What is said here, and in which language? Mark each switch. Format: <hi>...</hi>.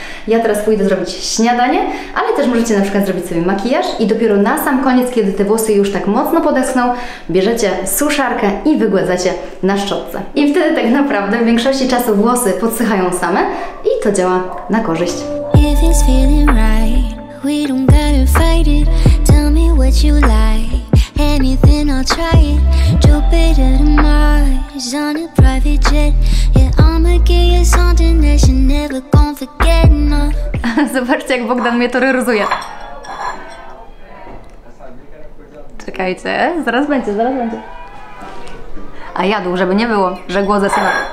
<pl>Ja teraz pójdę zrobić śniadanie, ale też możecie na przykład zrobić sobie makijaż i dopiero na sam koniec, kiedy te włosy już tak mocno podeschną, bierzecie suszarkę i wygładzacie na szczotce. I wtedy tak naprawdę w większości czasu włosy podsychają same i to działa na korzyść.</pl> <en>If it's feeling right, we don't gotta fight it. Tell me what you like, anything I'll try it. Jupiter to Mars on a private jet. Yeah, I'ma give you something that you never gonna forget, no.</en> <pl>Zobaczcie, jak Bogdan mnie terroryzuje. Czekajcie, zaraz będzie. A jadł, żeby nie było, że głodzę syna.</pl>